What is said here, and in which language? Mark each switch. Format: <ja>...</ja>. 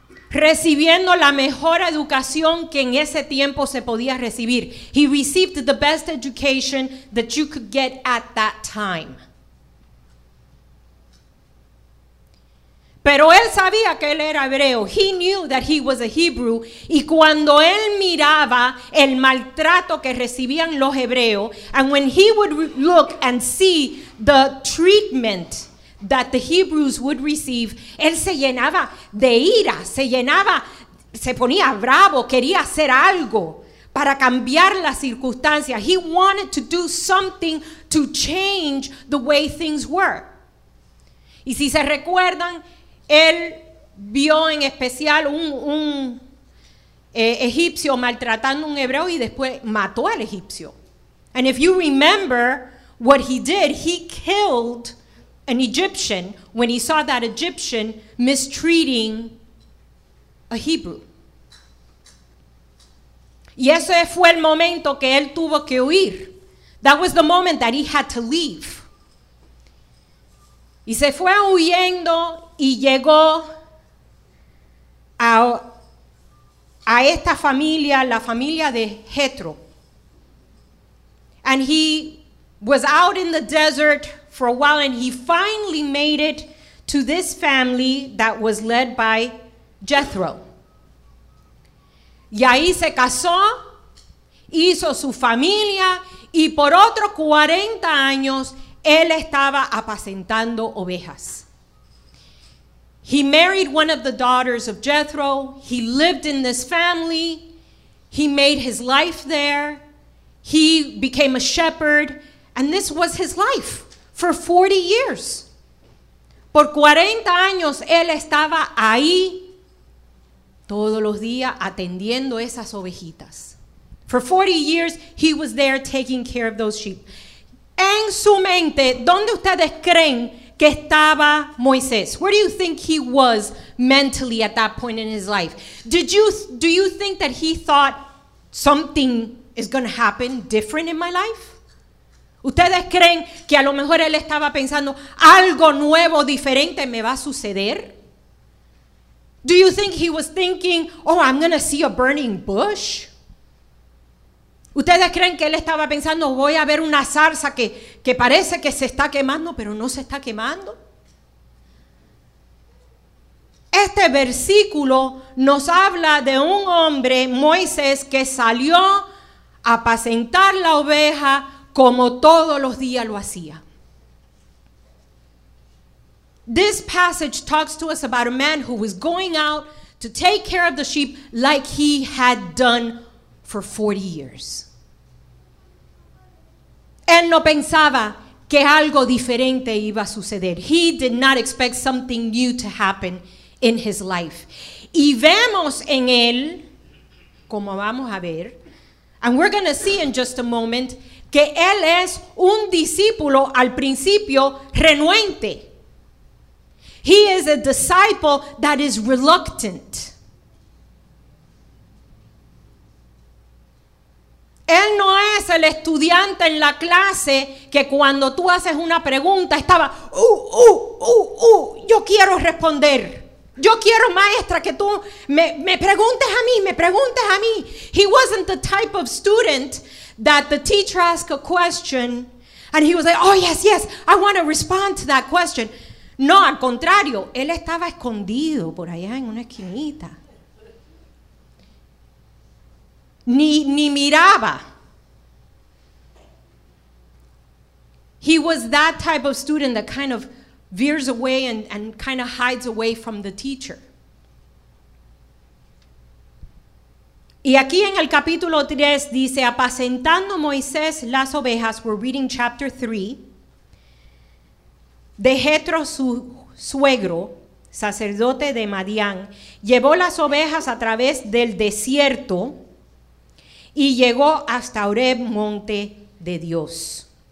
<es>Recibiendo la mejor educación que en ese tiempo se podía recibir.</es> <en>He received the best education that you could get at that time.</en> <es>Pero él sabía que él era hebreo.</es> <en>He knew that he was a Hebrew.</en> <es>Y cuando él miraba el maltrato que recibían los hebreos,</es> <en>and when he would look and see the treatment that the Hebrews would receive,</en> <es>él se llenaba de ira, se ponía bravo, quería hacer algo para cambiar las circunstancias.</es> <en>He wanted to do something to change the way things were.</en> <es>Y si se recuerdan, él vio en especial un egipcio maltratando a un hebreo y después mató al egipcio.</es> <en>And if you remember what he did, he killed an Egyptian when he saw that Egyptian mistreating a Hebrew.</en> <es>Y ese fue el momento que él tuvo que huir.</es> <en>That was the moment that he had to leave.</en> <es>Y se fue huyendo y llegó a esta familia, la familia de Jethro.</es> <en>And he was out in the desert for a while, and he finally made it to this family that was led by Jethro.</en> <es>Y ahí se casó, hizo su familia, y por otros 40 años él estaba apacentando ovejas.</es> <en>He married one of the daughters of Jethro. He lived in this family. He made his life there. He became a shepherd, and this was his life. For 40 years.</en> <es>Por 40 años él estaba ahí todos los días atendiendo esas ovejitas.</es> <en>For 40 years he was there taking care of those sheep.</en> <es>En su mente, ¿dónde ustedes creen que estaba Moisés?</es> <en>Where do you think he was mentally at that point in his life? Do you think that he thought something is going to happen different in my life?</en> <es>¿Ustedes creen que a lo mejor él estaba pensando algo nuevo, diferente me va a suceder?</es> <en>Do you think he was thinking, oh, I'm going to see a burning bush?</en> <es>¿Ustedes creen que él estaba pensando, voy a ver una zarza que parece que se está quemando, pero no se está quemando? Este versículo nos habla de un hombre, Moisés, que salió a apacentar la oveja como todos los días lo hacía.</es> <en>This passage talks to us about a man who was going out to take care of the sheep like he had done for 40 years.</en> <es>Él no pensaba que algo diferente iba a suceder.</es> <en>He did not expect something new to happen in his life.</en> <es>Y vemos en él, como vamos a ver,</es> <en>and we're going to see in just a moment,</en> <es>que él es un discípulo al principio renuente.</es> <en>He is a disciple that is reluctant.</en> <es>Él no es el estudiante en la clase que cuando tú haces una pregunta estaba, yo quiero responder. Yo quiero, maestra, que tú me preguntes a mí, me preguntes a mí.</es> <en>He wasn't the type of student that the teacher asked a question and he was like, oh, yes, yes, I want to respond to that question.</en> <es>No, al contrario, él estaba escondido por allá en una esquinita. Ni miraba.</es> <en>He was that type of student that kind of veers away and kind of hides away from the teacher.</en> <es>Y aquí en el capítulo 3 dice, apacentando Moisés las ovejas,</es> <en>we're reading chapter 3,</en> <es>de Jetro, su suegro, sacerdote de Madián, llevó las ovejas a través del desierto y llegó hasta Horeb, monte de Dios.</es>